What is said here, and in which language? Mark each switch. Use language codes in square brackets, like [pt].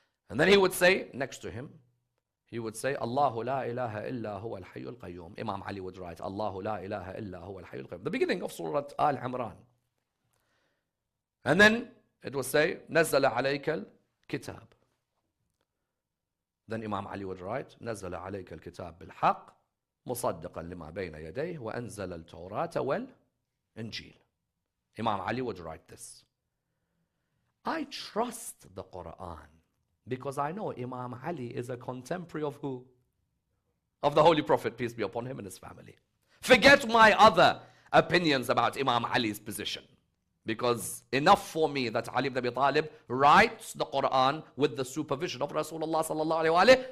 [en] And then he would say, next to him, he would say, [ar] Allahu la ilaha illa huwa al-hayu al-qayyum. [en] Imam Ali would write, [ar] Allahu la ilaha illa huwa al-hayu al-qayyum. [en] The beginning of Surah Al-Imran. And then it would say, [ar] Nazzala alayka al-kitab. [en] Then Imam Ali would write, [ar] نزل عليك الكتاب بالحق مصدقا لما بين يديه وأنزل التوراة والإنجيل. [en] Imam Ali would write this. I trust the Quran because I know Imam Ali is a contemporary of who? Of the Holy Prophet, peace be upon him and his family. Forget my other opinions about Imam Ali's position, because enough for me that Ali ibn Abi Talib writes the Quran with the supervision of Rasulullah sallallahu alayhi wa alayhi.